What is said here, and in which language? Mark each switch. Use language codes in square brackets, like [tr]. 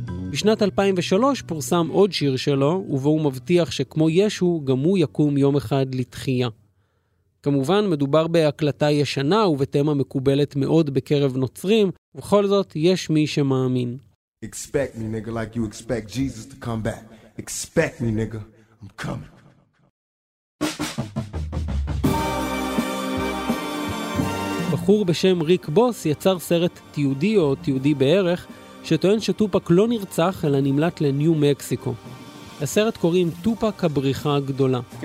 [he] בשנת 2003 פורסם עוד שיר שלו, ובו הוא מבטיח שכמו ישו, גם הוא יקום יום אחד לתחייה. כמובן, מדובר בהקלטה ישנה ובתמה מקובלת מאוד בקרב נוצרים, ובכל זאת יש מי שמאמין. [en] Expect me, nigga, like you expect Jesus to come back. Expect me, nigga, I'm coming. [he] בחור בשם ריק בוס יצר סרט תיעודי או תיעודי בערך, שטוען שטופק לא נרצח, אלא נמלט לניו מקסיקו. הסרט קוראים טופק הבריחה הגדולה.